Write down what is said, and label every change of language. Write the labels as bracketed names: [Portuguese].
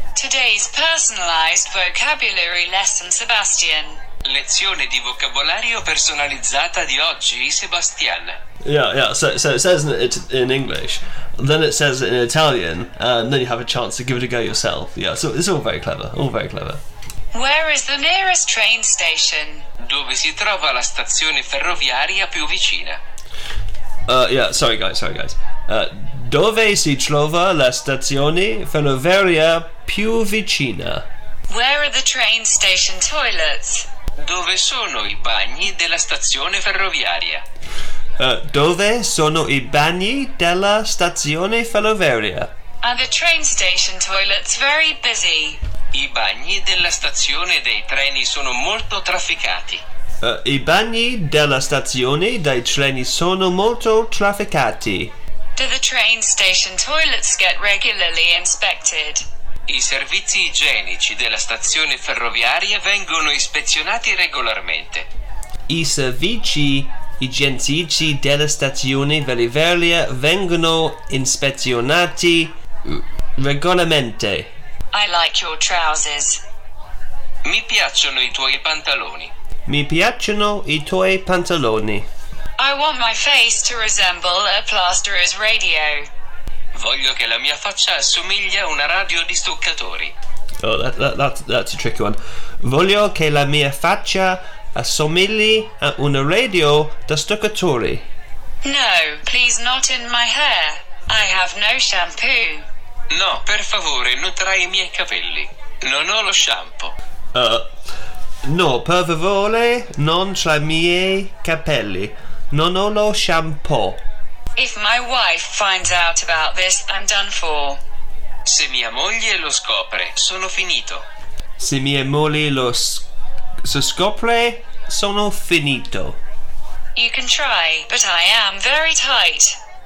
[English] today's personalized vocabulary lesson, Sebastian. [Italian] Lezione di vocabolario personalizzata di oggi, Sebastian. [English] Yeah. So it says in English, then it says in Italian, and then you have a chance to give it a go yourself. Yeah, so it's all very clever. Where is the nearest train station? [Italian] Dove si trova la stazione ferroviaria più vicina? [English] Sorry guys. [Italian] Dove si trova la stazione ferroviaria più vicina? [English] Where are the train station toilets? [Italian] Dove sono I bagni della stazione ferroviaria? Dove sono I bagni della stazione ferroviaria? [English] Are the train station toilets very busy? [Italian] I bagni della stazione dei treni sono molto trafficati. I bagni della stazione dei treni sono molto trafficati. [English] Do the train station toilets get regularly inspected? [Italian] I servizi igienici della stazione ferroviaria vengono ispezionati regolarmente. I servizi igienici della stazione ferroviaria vengono ispezionati regolarmente. [English] I like your trousers. [Italian] Mi piacciono I tuoi pantaloni. Mi piacciono I tuoi pantaloni. [English] I want my face to resemble a plasterer's radio. [Italian] Voglio che la mia faccia assomigli a una radio di stuccatori. [English] Oh, that's a tricky one. [Italian] Voglio che la mia faccia assomigli a una radio da stuccatori. [English] No, please not in my hair. I have no shampoo. [Italian] No, per favore, nutrai I miei capelli. Non ho lo shampoo. No, per favore, non tra I miei capelli. Non ho lo shampoo. [English] If my wife finds out about this, I'm done for. [Italian] Se mia moglie lo scopre, sono finito. Se mia moglie lo scopre, sono finito. [English] You can try, but I am very tight.